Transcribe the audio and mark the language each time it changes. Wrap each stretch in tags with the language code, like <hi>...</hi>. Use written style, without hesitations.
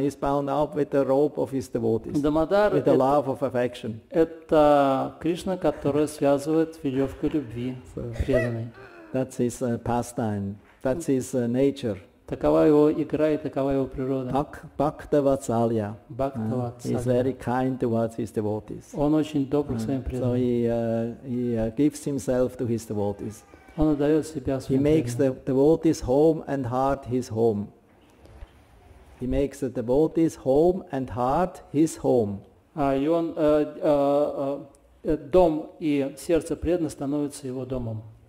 <en>He's bound up with the rope of his devotees.</en> <ru>Дамадар</ru> <en>with the love of affection.</en> <ru>Это Кришна, который связывает веревку любви преданной.</ru> <en>That's his pastime. That's his nature.</en> <ru>Такова его игра и такова его природа.</ru> <en>Бхакта-вацалья. He's very kind towards his devotees.</en> <ru>Он очень добр к своим преданным.</ru> <en>So he gives himself to his devotees.</en> <ru>Он отдает себя своим.</ru> <en>He makes the devotees' home and heart his home. He makes the devotees' home and heart his home.</en> <ru>Дом и сердце преданного становится его домом.</ru>